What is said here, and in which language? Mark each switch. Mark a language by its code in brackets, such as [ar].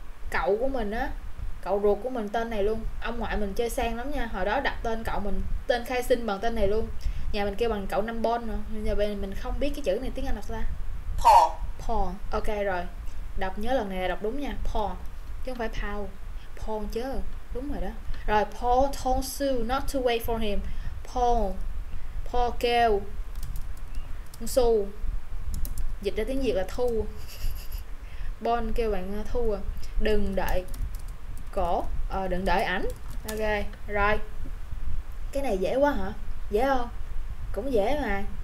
[vi] Cậu của mình á, cậu ruột của mình tên này luôn, ông ngoại mình chơi sang lắm nha, hồi đó đặt tên cậu mình tên khai sinh bằng tên này luôn, nhà mình kêu bằng cậu năm bon nữa. Nhà bên mình không biết cái chữ này tiếng Anh đọc ra [en] Paul. Paul. [vi] Ok rồi, đọc nhớ lần này là đọc đúng nha, Paul chứ không phải Paul. Paul chứ, đúng rồi đó. Rồi [en] Paul told Sue not to wait for him. [vi] Paul, Paul kêu Sue, dịch ra tiếng Việt là Thu. Bon kêu bạn Thu à, đừng đợi cổ, đừng đợi ảnh. Ok, rồi. Cái này dễ quá hả? Dễ không? Cũng dễ mà.